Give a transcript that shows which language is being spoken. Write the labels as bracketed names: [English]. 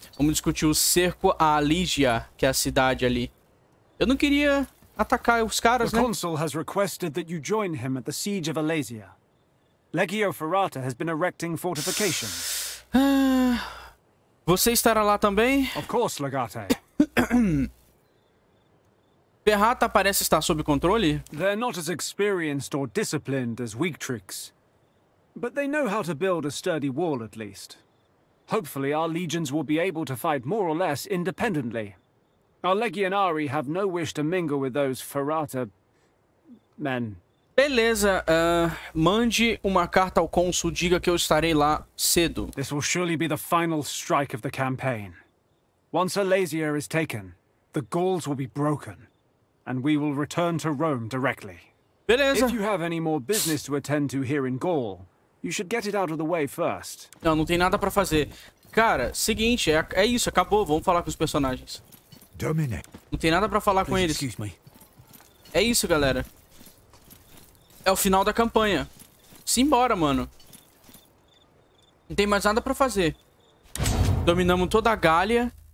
[Portuguese] Vamos discutir o cerco a Aligia, que é a cidade ali. Eu não queria atacar os caras, né? [English] O consul has requested that you join him at the siege of Alesia. Legio Ferrata has been erecting fortifications. [Portuguese] Você estará lá também? [English] Of course, Legate. [Portuguese] Ferrata parece estar sob controle? [English] They're not as experienced or disciplined as Weaktrix. But they know how to build a sturdy wall, at least. Hopefully, our legions will be able to fight more or less independently. Our legionari have no wish to mingle with those Ferrata men. [Portuguese] Beleza, mande uma carta ao cônsul, diga que eu estarei lá cedo. [English] This will surely be the final strike of the campaign. Once Alesia is taken, the Gauls will be broken. And we will return to Rome directly. [Portuguese] Beleza. [English] If you have any more business to attend to here in Gaul, you should get it out of the way first. [Portuguese] Não, não tem nada pra fazer. Cara, seguinte, é isso, acabou, vamos falar com os personagens. Dominic. Não tem nada pra falar com eles. [English] Excuse me. [Portuguese] É isso, galera. É o final da campanha. Simbora, mano. Não tem mais nada pra fazer. Dominamos toda a Gália.